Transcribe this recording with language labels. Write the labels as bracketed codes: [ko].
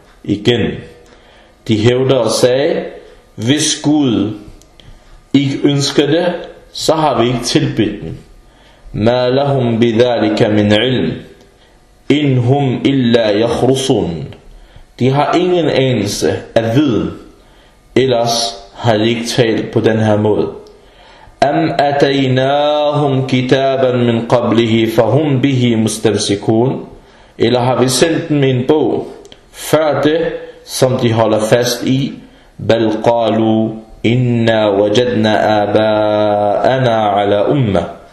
[da] Igen, de hævder og sagde, hvis Gud ikke ønsker det, så har vi ikke tilbedt dem. [ar] مَا لَهُمْ بِذَلِكَ مِنْ عِلْمٍ إِنْ هُمْ إِلَّا يَخْرُصُونَ. [da] De har ingen anelse af viden, ellers har de ikke talt på den her måde. [ar] أم أتيناهم كتابا من قبله فهم به مستمسكون. [da] Eller har vi sendt dem en bog før det, som de holder fast i? [ar] بل قالوا إنا وجدنا آباءنا على أمة.